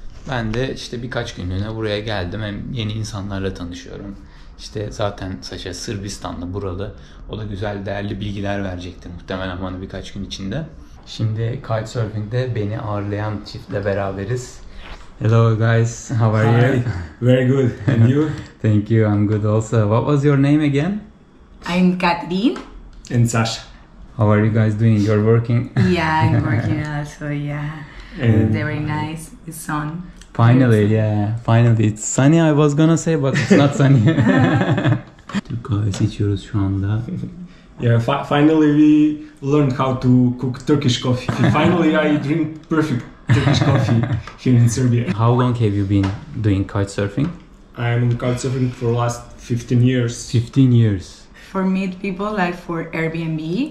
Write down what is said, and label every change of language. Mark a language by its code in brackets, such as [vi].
[tr] Ben de işte birkaç günlüğüne buraya geldim. Hem yeni insanlarla tanışıyorum. İşte zaten Sasha Sırbistanlı, buralı. O da güzel, değerli bilgiler verecekti muhtemelen bana birkaç gün içinde. Şimdi Couchsurfing'de beni ağırlayan çiftle beraberiz. [en] Hello guys, how are you? Very good. And you? Thank you. I'm good also. What was your name again? I'm Katrin. And Sasha. How are you guys doing? You're working? Yeah, I'm working also. Yeah. And very nice. It's sun. Finally, yeah. Finally, it's sunny. I was gonna say, but it's not sunny. [tr] Türk kahvesi içiyoruz şu anda. [en] Yeah, finally we learned how to cook Turkish coffee. Finally, I drink perfect Turkish coffee here in Serbia. How long have you been doing kitesurfing? I'm kitesurfing for last 15 years. 15 years. For meet people, like for Airbnb.